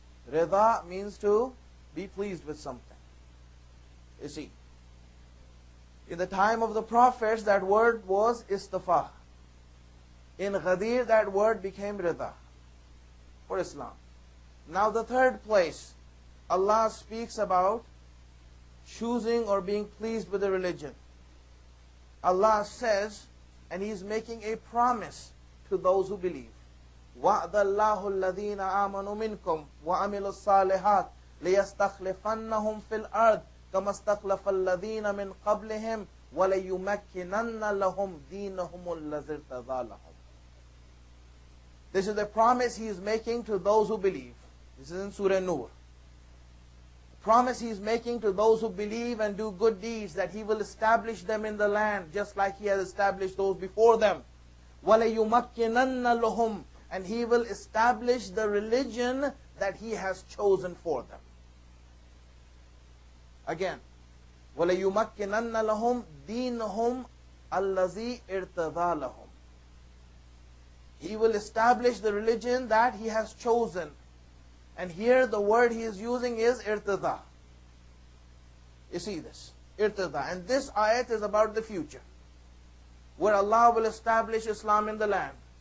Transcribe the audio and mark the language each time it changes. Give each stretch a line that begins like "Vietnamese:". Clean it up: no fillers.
English: Ridha means to be pleased with something. You see, in the time of the prophets, that word was Istafa. In Ghadir, that word became Ridha for Islam. Now the third place Allah speaks about choosing or being pleased with a religion. Allah says, and He's making a promise to those who believe,
Arabic: وَعْدَ اللَّهُ الَّذِينَ آمَنُوا مِنْكُمْ وَعَمِلُوا الصَّالِحَاتِ لِيَسْتَخْلِفَنَّهُمْ فِي الْأَرْضِ كَمَا اسْتَخْلَفَ الَّذِينَ مِنْ قَبْلِهِمْ وَلَيُمَكِّنَنَّ لَهُمْ دِينَهُمُ الَّذِي ارْتَضَى لَهُمْ.
English: This is a promise He is making to those who believe. This is in Surah Nur. A promise He is making to those who believe and do good deeds, that He will establish them in the land just like He has established those before them.
Arabic: وَلَيُمَكِّنَنَّ لُهُمْ.
English: And He will establish the religion that He has chosen for them. Again,
Arabic: وَلَيُمَكِّنَنَّ لَهُمْ دِينَهُمْ الَّذِي اِرْتَضَى لَهُمْ.
English: He will establish the religion that he has chosen. And here the word he is using is irtida. You see this? Irtida. And this ayat is about the future, where Allah will establish Islam in the land.